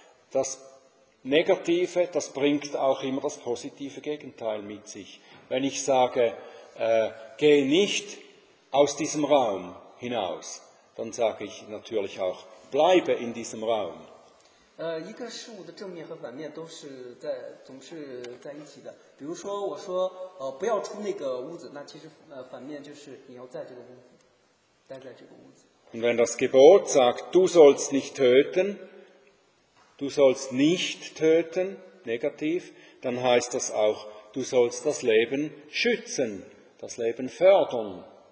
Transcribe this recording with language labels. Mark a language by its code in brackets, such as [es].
[de] das Negative, das bringt auch immer das positive Gegenteil mit sich. Wenn ich sage, gehe nicht aus diesem Raum hinaus, dann sage ich natürlich auch, bleibe in diesem Raum. [zh] 一个事物的正面和反面都是总是在一起的。比如说我说不要出那个屋子，那其实反面就是你要在这个屋子，待在这个屋子。 [de] Und wenn das Gebot sagt, du sollst nicht töten, du sollst nicht töten, negativ, dann heißt das auch, du sollst das Leben schützen, das Leben fördern.